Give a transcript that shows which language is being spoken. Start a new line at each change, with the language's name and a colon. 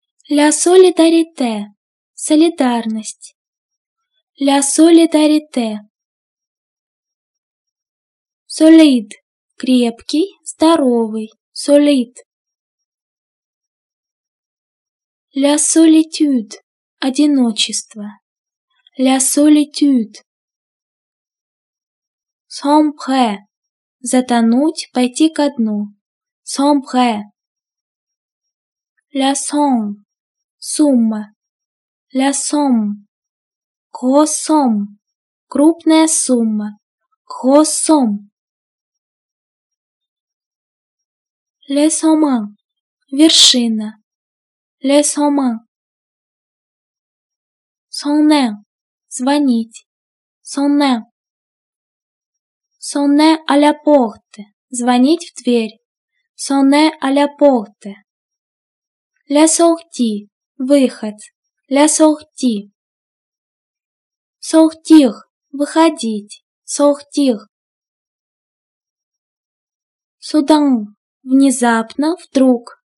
French: La solidarité,
Russian: солидарность.
French: La solidarité. Solid,
Russian: крепкий, здоровый.
French: Solid. La solitude,
Russian: одиночество.
French: La solitude. Sombre,
Russian: затонуть, пойти ко дну.
French: Sombre. La somme,
Russian: сумма.
French: La somme. Grosse somme,
Russian: крупная сумма.
French: Grosse somme. Le sommet,
Russian: вершина.
French: Le sommet. Sonner,
Russian: звонить.
French: Sonner. Sonner à la porte,
Russian: звонить в дверь.
French: Sonner à la porte. La sortie,
Russian: выход.
French: La sortie. Sortir,
Russian: выходить.
French: Sortir. Soudain,
Russian: внезапно, вдруг.